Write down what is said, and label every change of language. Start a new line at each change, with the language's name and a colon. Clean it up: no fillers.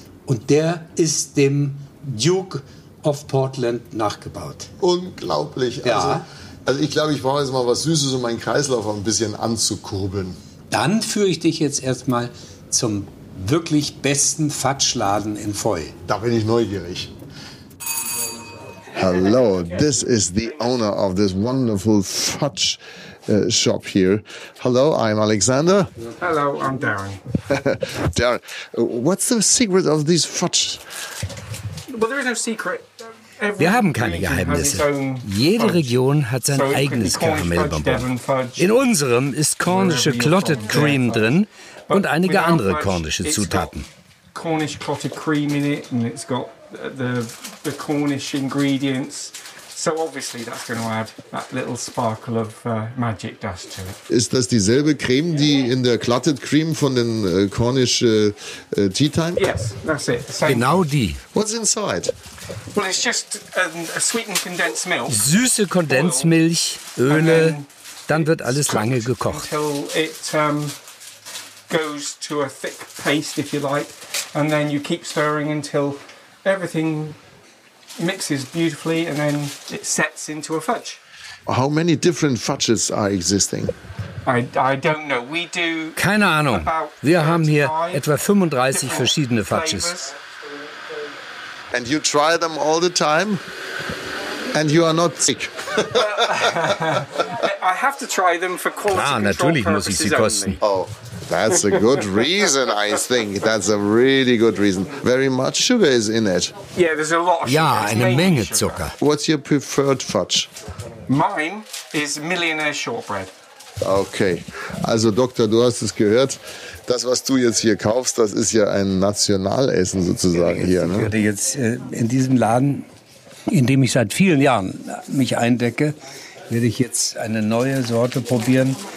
German: Und der ist dem Duke of Portland nachgebaut. Unglaublich. Ja. Also ich glaube, ich brauche jetzt mal was Süßes, um meinen Kreislauf ein bisschen anzukurbeln. Dann führe ich dich jetzt erstmal zum wirklich besten Fatschladen in Foy. Da bin ich neugierig.
English: Hello, this is the owner of this wonderful fudge shop here. Hello, I'm Alexander. Hello, I'm Darren. Darren, what's the secret of these fudge? Well, there is no secret.
German: Wir haben keine Geheimnisse. Jede Region hat sein eigenes Karamellbonbon. In unserem ist kornische Clotted Cream drin und einige andere kornische Zutaten.
English: Cornish Clotted Cream in it and it's got the Cornish ingredients. So obviously that's going to add that little sparkle of magic dust to it.
German: Ist das dieselbe Creme, die in der Clotted Cream von den Cornish Tea Time?
English: Yes, that's it.
German: Genau die.
English: What's inside? Well, it's just a sweetened condensed milk.
German: Süße Kondensmilch, Öle, dann wird alles lange gekocht.
English: Until it goes to a thick paste, if you like, and then you keep stirring until everything mixes beautifully and then it sets into a fudge. How many different fudges are existing? I don't know. We do.
German: Keine Ahnung. Wir haben hier etwa 35 verschiedene fudges.
English: And you try them all the time and you are not sick. I have to try them for quality control purposes.
German: Natürlich muss ich sie kosten. Oh.
English: That's a good reason, I think. That's a really good reason. Very much sugar is in it. Yeah, there's a lot of sugar.
German: Ja, eine Menge Zucker.
English: What's your preferred fudge? Mine is millionaire shortbread.
German: Okay, also Doktor, du hast es gehört. Das, was du jetzt hier kaufst, das ist ja ein Nationalessen sozusagen hier. Ich würde jetzt in diesem Laden, in dem ich seit vielen Jahren mich eindecke, werde ich jetzt eine neue Sorte probieren.